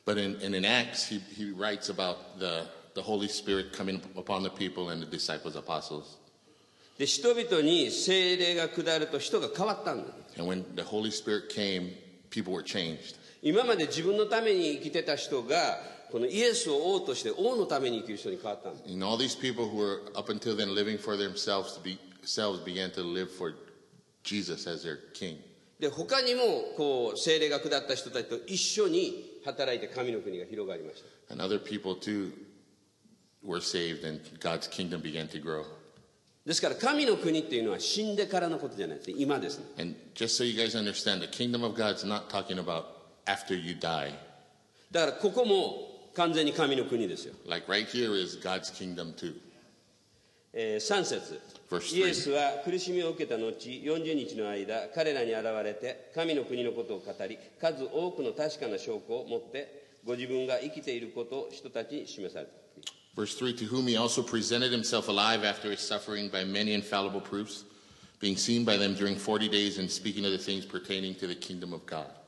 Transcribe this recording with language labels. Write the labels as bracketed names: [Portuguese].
[English] But in Acts, he writes about the Holy Spirit coming upon the people and the disciples, apostles. [Japanese] で、人々に聖霊が下ると人が変わったんだ。 [English] And when the Holy Spirit came, people were changed. [Japanese] 今まで自分のために生きてた人がこのイエスを王として王のために生きる人に変わったんだ。 [English] And all these people who were up until then living for themselves to beselves began to live for Jesus as their king. [Japanese] で、他にもこう聖霊が下った人たちと一緒に働いて神の国が広がりました。 [English] And other people too were saved and God's kingdom began to grow. [Japanese] ですから神の国っていうのは死んでからのことじゃないです。今ですね。 [English] And just so you guys understand, the kingdom of God is not talking about after you die. [Japanese] だからここも完全に神の国ですよ。 [English] Like right here is God's kingdom too. [Japanese] 3節、イエスは苦しみを受けた後40日の間彼らに現れて神の国のことを語り数多くの確かな証拠を持ってご自分が生きていることを人たちに示された [English] Verse 3 To whom he also presented himself alive after his suffering by many infallible proofs being seen by them during 40 days and speaking of the things pertaining to the kingdom of God